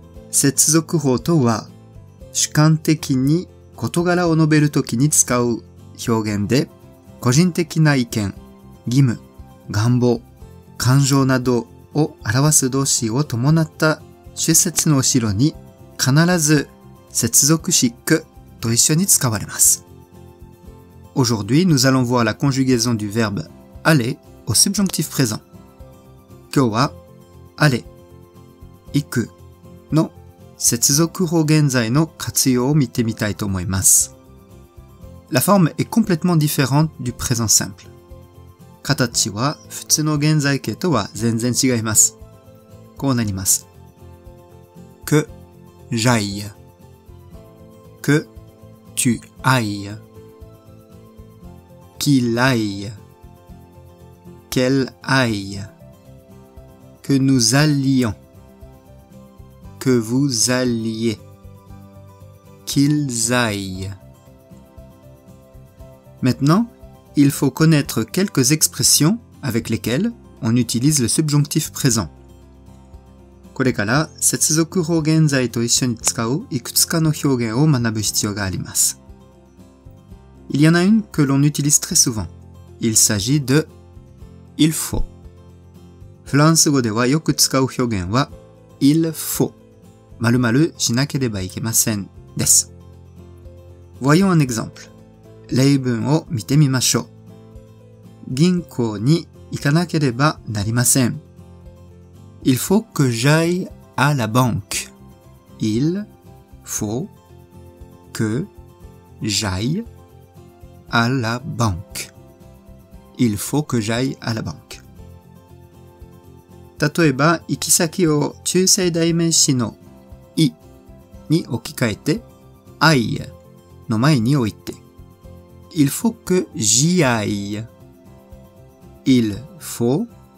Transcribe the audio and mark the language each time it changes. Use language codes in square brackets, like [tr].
[ja] 接続語とは主観的に事柄を述べるときに使う表現で、個人的な意見、義務、願望、感情などを表す動詞を伴った主節の後ろに必ず接続詞くと一緒に使われます。 [fr] Aujourd'hui, nous allons voir la conjugaison du verbe aller au subjonctif présent. [ja] 今日は、aller、行くの接続語現在の活用を見てみたいと思います。 [fr] La forme est complètement différente du présent simple. [ja] 形は普通の現在形とは全然違います。こうなります。 [fr] Que j'aille. Que tu ailles. Qu'il aille. Qu'elle aille. Que nous allions. Que vous alliez, qu'ils aillent. Maintenant, il faut connaître quelques expressions avec lesquelles on utilise le subjonctif présent. [ja] これから接続語現在と一緒に使ういくつかの表現を学ぶ必要があります。 [fr] Il y en a une que l'on utilise très souvent. Il s'agit de « il faut ». [ja] フランス語ではよく使う表現は「il faut」。〇〇しなければいけませんです。 [fr] Voyons un exemple. [ja] 例文を見てみましょう。銀行に行かなければなりません。 [fr] Il faut que j'aille à la banque. Il faut que j'aille à la banque. Il faut que j'aille à la banque. [ja] 例えば、行き先を中性代名詞のI に置き換えて I の前に置いて [fr] Il faut que j'y aille. Il faut